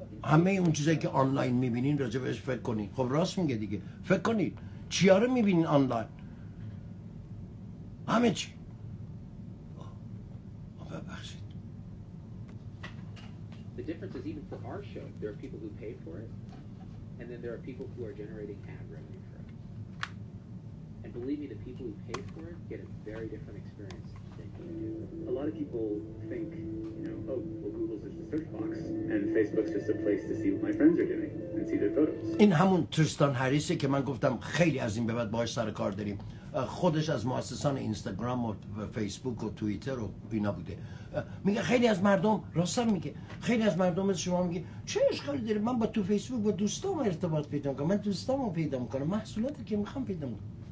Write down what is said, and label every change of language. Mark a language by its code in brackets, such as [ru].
[fa] همه اون چیزایی که آنلاین میبینین راجع بهش فکر کنین. خب راست میگه دیگه. فکر کنین. چیا رو میبینین آنلاین؟ همه چی. ببخشید. [en] The difference is even for our show, there are people who pay for it, and then there are people who are generating ad revenue. Believe me, the people who pay for it get a very different experience than you do. A lot of people think, Google's just a search box, and Facebook's just a place to see what my friends are doing. [fa] این همون ترستان هریسه که من گفتم خیلی از این به بعد باهاش سر کار داریم. خودش از مؤسسان اینستاگرام و فیسبوک و توییتر و اینا بوده. میگه خیلی از مردم، راستم میگه، خیلی از مردم از شما میگه چه اشکالی داره من با تو فیسبوک با دوستام ارتباط پیدا کنم، من دوستامو پیدا میکنم، محصولاتی که میخوام پیدا میکنم.